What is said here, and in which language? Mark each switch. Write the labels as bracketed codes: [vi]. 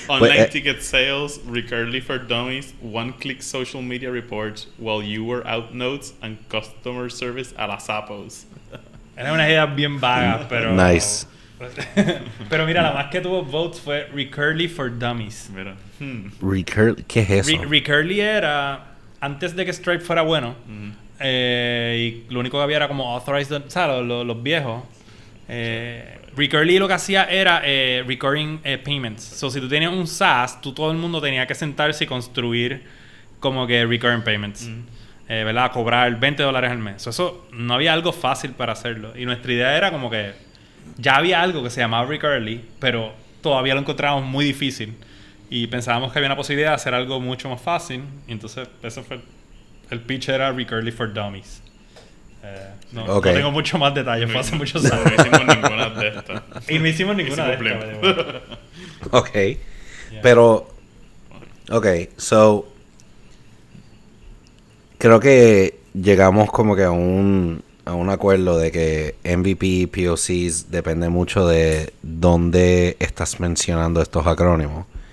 [en] Online ticket sales, recurrently for dummies, one-click social media reports, while you were out notes, and customer service a la Zappos. [es] Era una idea bien vaga, pero... [en] Nice. [es] Pero mira, la más que tuvo votes fue recurrently for dummies. Mira. Recurrently, ¿qué es eso? Recurrently era, antes de que Stripe fuera bueno, y lo único que había era como authorized, o sea, los viejos. Recurrently lo que hacía era recurring payments. So, si tú tenías un SaaS, tú todo el mundo tenía que sentarse y construir como que recurring payments. Mm-hmm. ¿Verdad? Cobrar $20 al mes. So, eso no había algo fácil para hacerlo. Y nuestra idea era como que ya había algo que se llamaba Recurrently, pero todavía lo encontrábamos muy difícil. Y pensábamos que había una posibilidad de hacer algo mucho más fácil. Y entonces, eso fue. El pitch era Recurrently for Dummies. No tengo mucho más detalle. Fue hace muchos años. No hicimos ninguna de estas. Y no hicimos ninguna de estas. Ok. Yeah. Pero... Ok. So... Creo que llegamos como que a un acuerdo de que MVP y POCs depende mucho de dónde estás mencionando estos acrónimos.